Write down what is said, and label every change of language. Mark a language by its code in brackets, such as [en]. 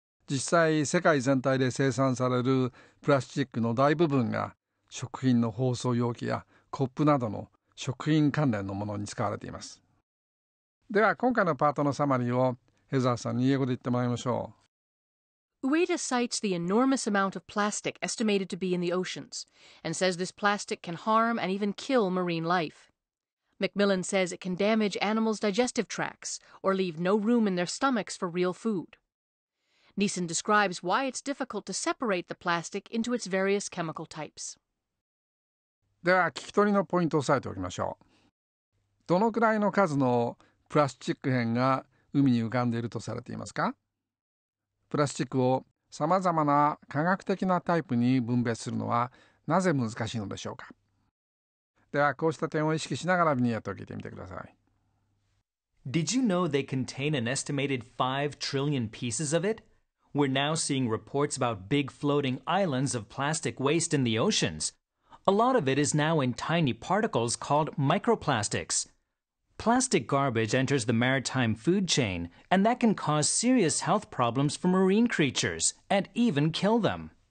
[ja] 実際、世界全体で生産されるプラスチックの大部分が食品の包装容器やコップなどの食品関連のものに使われています。では今回のパートのサマリーをヘザーさんに英語で言ってもらいましょう。 [en] Ueda cites the enormous amount of plastic estimated to be in the oceans and says this plastic can harm and even kill marine life. Macmillan says it can damage animals' digestive tracts or leave no room in their stomachs for real food. Neeson describes why it's difficult to separate the plastic into its various chemical types. [ja] では聞き取りのポイントを押さえておきましょう。どのくらいの数のプラスチック片が海に浮かんでいるとされていますか？プラスチックをさまざまな化学的なタイプに分別するのはなぜ難しいのでしょうか？ではこうした点を意識しながらビニヤットを聞いてみてください。 [en] Did you know they contain an estimated 5 trillion pieces of it? We're now seeing reports about big floating islands of plastic waste in the oceans. A lot of it is now in tiny particles called microplastics. Plastic garbage enters the maritime food chain, and that can cause serious health problems for marine creatures, and even kill them.